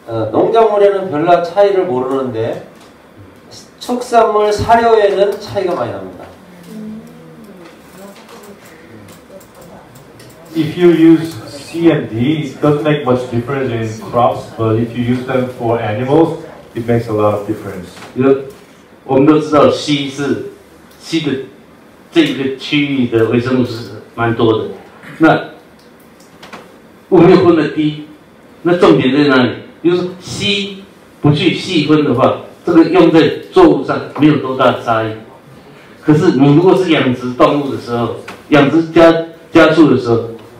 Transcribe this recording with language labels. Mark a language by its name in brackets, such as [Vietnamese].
[Korean] 농작물에는 별로 차이를 모르는데 축산물 사료에는 차이가 많이 납니다. [English] If you use C and D, it doesn't make much difference in crops, but if you use them for animals, it makes a lot of difference. [Chinese] 我们都知道 C 是 C 的这个区域的微生物是蛮多的。那我们又分了 D， 那重点在哪里？就是 C 不去细分的话，这个用在作物上没有多大的差异。可是你如果是养殖动物的时候，养殖家畜的时候。